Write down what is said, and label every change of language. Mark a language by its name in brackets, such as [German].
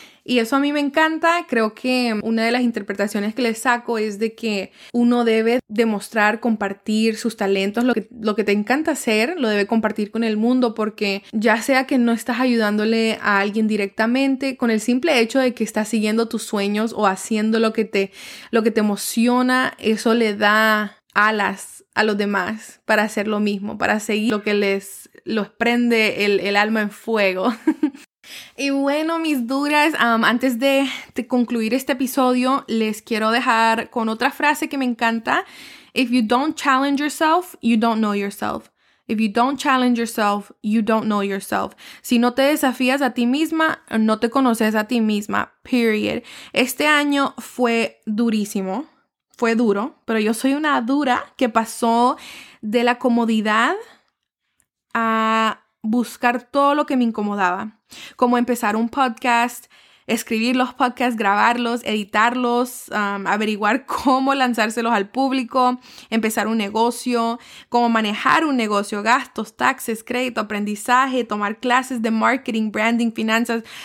[Spanish] Y eso a mí me encanta. Creo que una de las interpretaciones que le saco es de que uno debe demostrar, compartir sus talentos, lo que te encanta hacer, lo debe compartir con el mundo, porque ya sea que no estás ayudándole a alguien directamente, con el simple hecho de que estás siguiendo tus sueños o haciendo lo que te emociona, eso le da alas a los demás para hacer lo mismo, para seguir lo que los prende el alma en fuego. Y bueno, mis duras, antes de concluir este episodio, les quiero dejar con otra frase que me encanta. [English] If you don't challenge yourself, you don't know yourself. If you don't challenge yourself, you don't know yourself. [Spanish] Si no te desafías a ti misma, no te conoces a ti misma, period. Este año fue durísimo, fue duro, pero yo soy una dura que pasó de la comodidad a buscar todo lo que me incomodaba, como empezar un podcast, escribir los podcasts, grabarlos, editarlos, averiguar cómo lanzárselos al público, empezar un negocio, cómo manejar un negocio, gastos, taxes, crédito, aprendizaje, tomar clases de marketing, branding, finanzas,